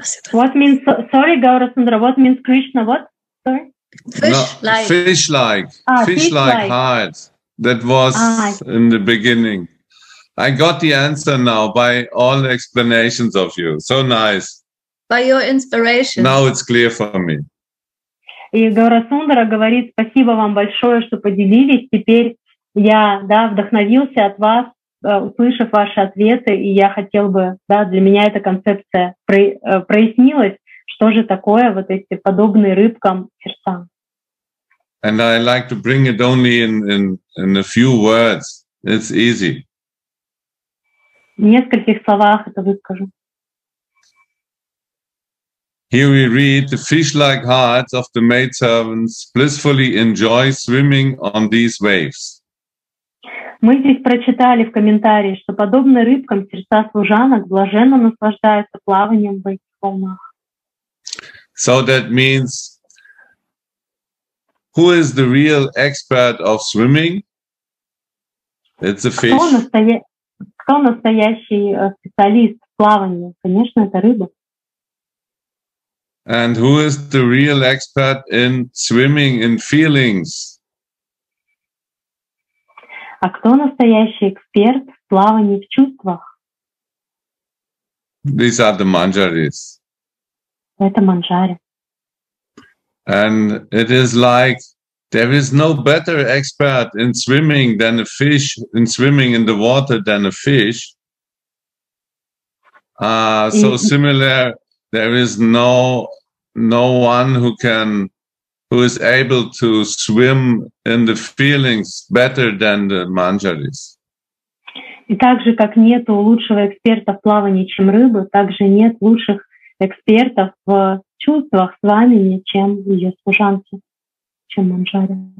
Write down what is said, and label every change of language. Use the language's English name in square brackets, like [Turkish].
[English] What means, sorry, Gaurasundra, what means Krishna, what? Sorry? Fish-like. No, fish-like, ah, fish-like heart. That was in the beginning. I got the answer now by all the explanations of you. So nice. By your inspiration. Now it's clear for me. [Russian] И Гаурасундара говорит, спасибо вам большое, что поделились. Теперь я, да, вдохновился от вас, услышав ваши ответы, и я хотел бы, да, для меня эта концепция прояснилась, что же такое вот эти подобные рыбкам сердца. [English] And I like to bring it only in a few words. It's easy. [Russian] В нескольких словах это выскажу. [English] Here we read the fish-like hearts of the maidservants blissfully enjoy swimming on these waves. [Russian] Мы здесь прочитали в комментарии, что подобно рыбкам сердца служанок блаженно наслаждаются плаванием в этих волнах. [English] So that means, who is the real expert of swimming? It's a fish. [Russian] Кто настоящий специалист в плавании? Конечно, это рыба. [English] And who is the real expert in swimming in feelings? [Russian] А кто настоящий эксперт в плавании в чувствах? [English] These are the manjaris. [Russian] Это манжари. [English] And it is like there is no better expert in swimming than a fish, in swimming in the water than a fish. So similar, there is no one who is able to swim in the feelings better than the manjaris. [Russian] И так же, как нет лучшего эксперта в плавании, чем рыбы, так же нет лучших экспертов в чувствах с вами, чем ее служанки, чем Манджари.